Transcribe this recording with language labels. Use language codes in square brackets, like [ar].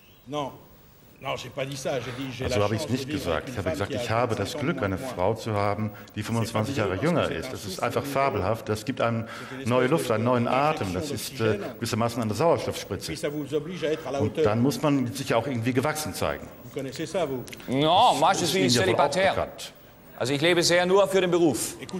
[de] Also habe ich es nicht gesagt. Ich habe gesagt, ich habe das Glück, eine Frau zu haben, die 25 Jahre jünger ist. Das ist einfach fabelhaft. Das gibt einem neue Luft, einen neuen Atem. Das ist gewissermaßen eine Sauerstoffspritze. Und dann muss man sich auch irgendwie gewachsen zeigen. [fr] No, moi je suis célibataire. [de] Also ich lebe sehr nur für den Beruf.